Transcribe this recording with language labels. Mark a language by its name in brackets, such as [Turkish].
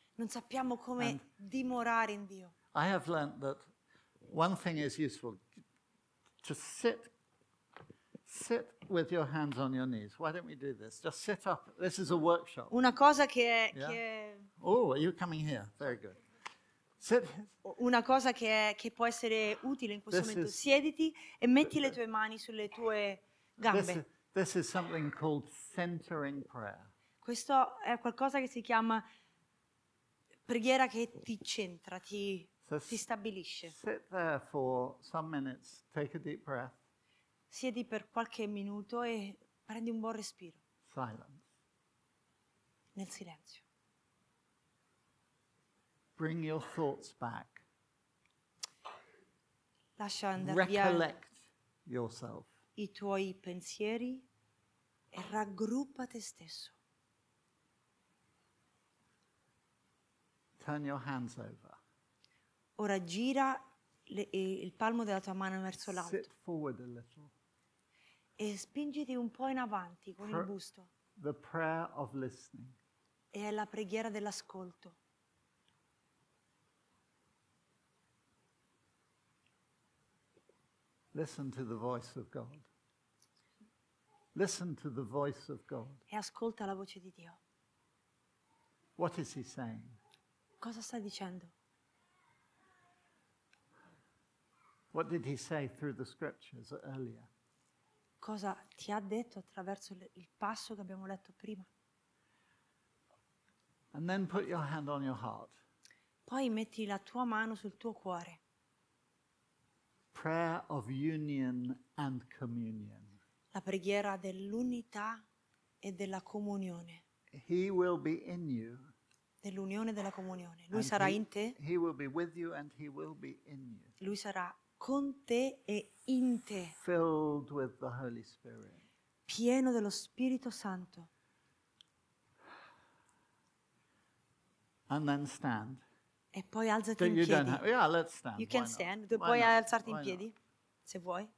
[Italian] Non sappiamo come dimorare in Dio. [English] I have learned that one thing is useful: to sit with your hands on your knees. Why don't we do this? Just sit up. This is a workshop. [Italian] Una cosa che è, yeah? Che è... [English] Oh, are you coming here? Very good. Sit. [Italian] Una cosa che può essere utile in questo momento. Siediti e metti le tue mani sulle tue gambe. [English] This is something called centering prayer. [Italian] Questo è qualcosa che si chiama preghiera che ti centra, ti stabilisce. [English] Sit there for some minutes. Take a deep breath. [Italian] Siedi per qualche minuto e prendi un buon respiro. [English] Silence. [Italian] Nel silenzio. [English] Bring your thoughts back. [Italian] Lascia andare. [English] Recollect yourself. [Italian] I tuoi pensieri e raggruppa te stesso. [English] Turn your hands over. [Italian] Ora gira il palmo della tua mano verso l'alto. [English] Sit forward a little. [Italian] E spingiti un po' in avanti con il busto. [English] The prayer of listening. [Italian] E è la preghiera dell'ascolto. [English] Listen to the voice of God. Listen to the voice of God. [Italian] E ascolta la voce di Dio. [English] What is he saying? [Italian] Cosa sta dicendo? [English] What did he say through the scriptures earlier? [Italian] Cosa ti ha detto attraverso il passo che abbiamo letto prima? [English] And then put your hand on your heart. [Italian] Poi metti la tua mano sul tuo cuore. [English] Prayer of union and communion. [Italian] La preghiera dell'unità e della comunione. [English] He will be in you. [Italian] nell'unione della comunione. Lui sarà in te. [English] He will be with you and he will be in you. [Italian] Lui sarà con te e in te. [English] Filled with the Holy Spirit. [Italian] Pieno dello Spirito Santo. [English] And then stand. [Italian] E poi alzati in piedi. [English] Have, yeah, let's stand. You can stand. [Italian] Tu puoi alzarti in piedi se vuoi.